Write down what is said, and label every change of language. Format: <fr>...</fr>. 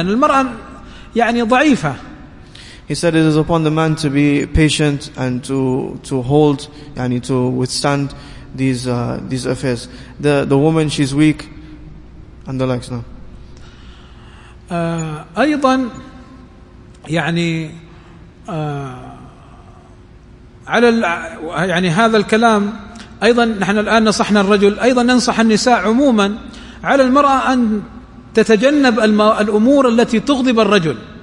<ar>المرأة يعني ضعيفة.</ar> <en>He said, it is upon the man to be patient and to hold, yani to withstand these affairs. The woman, she's weak and the likes now.</en> <ar>أيضا يعني على يعني هذا الكلام أيضا نحن الآن نصحنا الرجل، أيضا ننصح النساء عموما على المرأة أن تتجنب الأمور التي تغضب الرجل</ar>